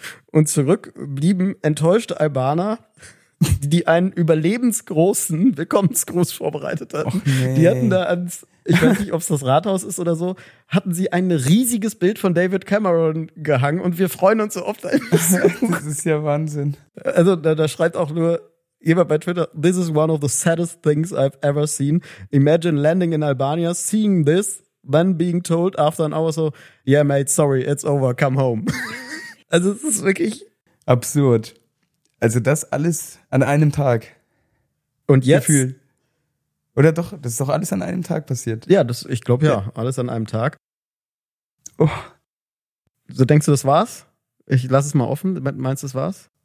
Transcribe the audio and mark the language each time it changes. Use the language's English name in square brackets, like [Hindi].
[German] Und zurück blieben enttäuschte Albaner, die einen überlebensgroßen Willkommensgruß vorbereitet hatten. Och nee. Die hatten da ans, ich weiß nicht, ob es das Rathaus ist oder so, hatten sie ein riesiges Bild von David Cameron gehangen und wir freuen uns so oft. Das ist ja Wahnsinn. Also da schreibt auch nur jemand bei Twitter, [English] this is one of the saddest things I've ever seen. Imagine landing in Albania, seeing this, then being told after an hour so, yeah mate, sorry, it's over, come home. [German] Also es ist wirklich absurd. Also das alles an einem Tag. Und jetzt? Gefühl. Oder doch, das ist doch alles an einem Tag passiert. Ja, das, ich glaube ja, alles an einem Tag. Oh. So, denkst du, das war's? Ich lass es mal offen. Meinst du, das war's?